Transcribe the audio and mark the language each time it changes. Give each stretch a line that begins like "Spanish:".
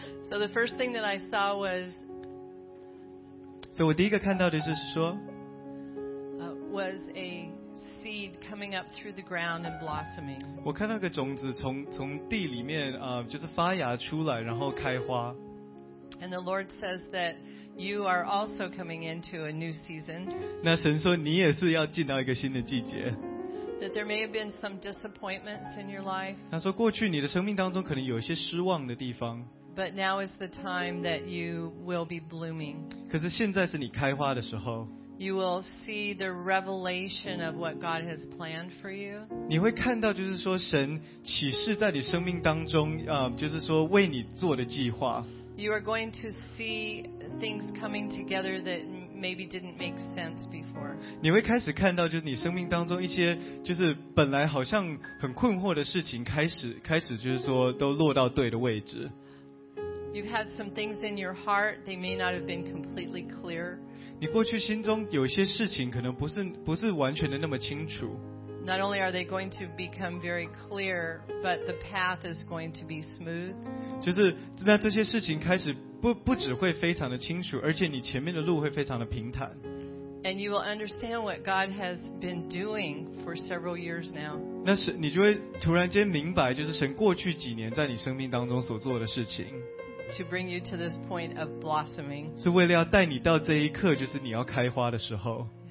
English: So the first thing that I saw was.
Chinese: So 我第一个看到的就是说。
English: Was a. Seed coming up through the ground and blossoming.
Chinese: 我看到个种子从地里面就是发芽出来，然后开花。
English: And the Lord says that you are also coming into a new season.
Chinese: 那神说你也是要进到一个新的季节。
English: That there may have been some disappointments in your life.
Chinese: 他说过去你的生命当中可能有一些失望的地方。
English: But now is the time that you will be blooming.
Chinese: 可是现在是你开花的时候。
English: You will see the revelation of what God has planned for you.
Chinese: 你会看到就是说神启示在你生命当中就是说为你做的计划。
English: You are going to see things coming together that maybe didn't make sense before.
Chinese: 你会开始看到就是你生命当中一些就是本来好像很困惑的事情开始就是说都落到对的位置。
English: You've had some things in your heart, they may not have been completely clear.
Chinese: 你过去心中有些事情可能不是完全的那么清楚。
English: Not only are they going to become very clear, but the path is going to be smooth.
Chinese: 就是那这些事情开始不只会非常的清楚，而且你前面的路会非常的平坦。
English: And you will understand what God has been doing for several years now.
Chinese: 那是你就会突然间明白，就是神过去几年在你生命当中所做的事情。
English: To bring you to this point of blossoming.
Chinese: 是为了要带你到这一刻，就是你要开花的时候。